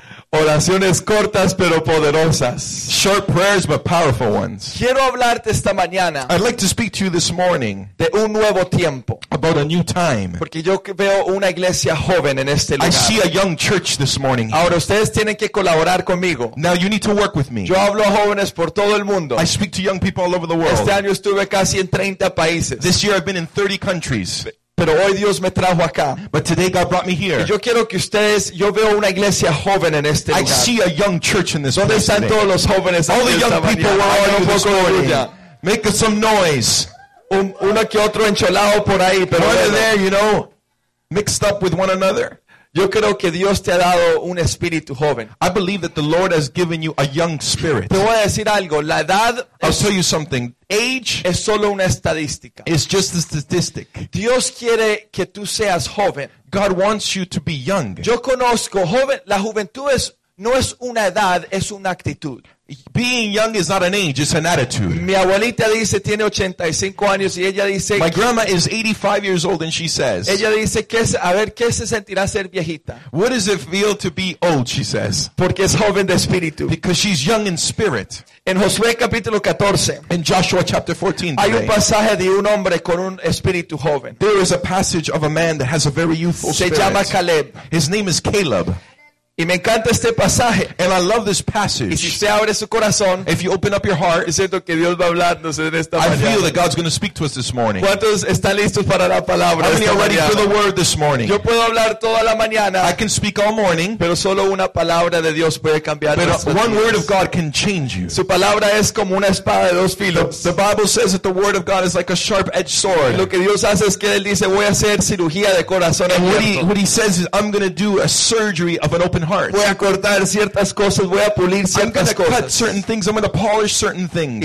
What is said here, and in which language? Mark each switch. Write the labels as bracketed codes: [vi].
[es] Oraciones cortas pero poderosas. [en] Short prayers but powerful ones. [es] Quiero hablarte esta mañana. [en] I'd like to speak to you this morning. [es] De un nuevo tiempo. [en] About a new time. [es] Porque yo veo una iglesia joven en este lugar. [en] I see a young church this morning. [es] Ahora ustedes tienen que colaborar conmigo. [en] Now you need to work with me. [es] Yo hablo a jóvenes por todo el mundo. [en] I speak to young people all over the world. [es] Este año estuve casi en 30 países. [en] This year I've been in 30 countries. [es] Pero hoy Dios me trajo acá. [en] But today God brought me here. [es] Y yo quiero que ustedes, yo veo una iglesia joven en este lugar. [en] I see a young church in this. [es] ¿Dónde están todos los jóvenes? [en] All the young people are on the road. Make some noise. [es] Uno que otro enchelado por ahí, pero [en] there, you know, mixed up with one another. [es] Yo creo que Dios te ha dado un espíritu joven. [en] I believe that the Lord has given you a young spirit. [es] Te voy a decir algo, la edad [en] I'll tell you something. Age [es] es solo una estadística. [en] It's just a statistic. [es] Dios quiere que tú seas joven. [en] God wants you to be young. [es] Yo conozco joven, la juventud es no es una edad, es una actitud. [en] Being young is not an age, it's an attitude. [es] Mi abuelita dice tiene 85 años y ella dice [en] My grandma is 85 years old and she says. [es] Ella dice que a ver qué se sentirá ser viejita. [en] What does it feel to be old, she says. [es] Porque es joven de espíritu. [en] Because she's young in spirit. [es] En Josué capítulo 14. [en] In Joshua chapter 14. [es] Hay un pasaje de un hombre con un espíritu joven. [en] There is a passage of a man that has a very youthful spirit. [es] Se llama Caleb. [en] His name is Caleb. [es] Y me encanta este pasaje. [en] And I love this passage. [es] Y si usted abre su corazón, [en] if you open up your heart, [es] es cierto que Dios va a hablarnos en esta mañana. [en] I feel that God's going to speak to us this morning. [es] ¿Cuántos están listos para la palabra esta mañana? [en] How many are ready for the word this morning? [es] Yo puedo hablar toda la mañana. [en] I can speak all morning. [es] Pero solo una palabra de Dios puede cambiar. [en] But one word of God can change you. [es] Su palabra es como una espada de dos filos. [en] The Bible says that the word of God is like a sharp-edged sword. [es] Lo que Dios hace es que él dice, voy a hacer cirugía de corazón abierto. [en] What he says is, I'm going to do a surgery of an open heart. [es] Voy a cortar ciertas cosas, voy a pulir ciertas cosas. [en] I'm going to cut certain things, I'm going to polish certain things.